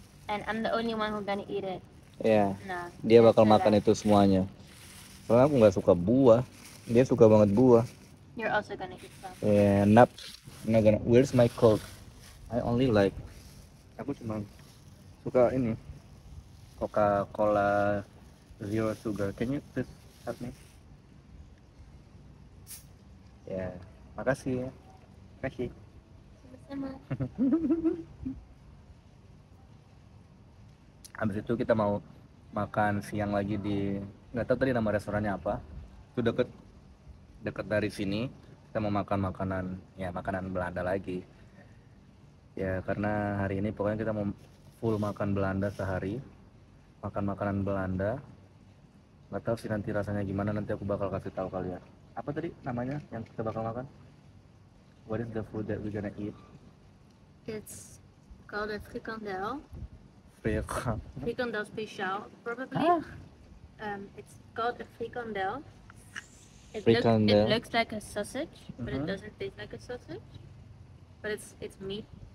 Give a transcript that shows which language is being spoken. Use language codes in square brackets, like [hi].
[en] And I'm the only one who gonna eat it. Yeah. Nah. [id] Dia bakal makan [en] that. [id] Itu semuanya. Karena aku nggak suka buah. Dia suka banget buah. [en] You're also gonna eat some. Yeah. Nap. Not gonna. Where's my coke? I only like. [id] Aku cuma suka ini Coca-Cola Zero Sugar. [en] Can you please help me? [id] Yeah, makasih ya. Makasih. Sama-sama. Habis itu kita mau makan siang lagi di, gak tahu tadi nama restorannya apa. Itu deket dari sini. Kita mau makan makanan, ya makanan Belanda lagi. Ya karena hari ini pokoknya kita mau full makan Belanda sehari, makan makanan Belanda. Gak tahu sih nanti rasanya gimana, nanti aku bakal kasih tahu kalian. Apa tadi namanya yang kita bakal makan? [en] What is the food that we gonna eat? It's called a fricandelle. Fricandelle special, probably. It's called a fricandelle. Fricandelle. It looks like a sausage, but it doesn't taste like a sausage. But it's meat.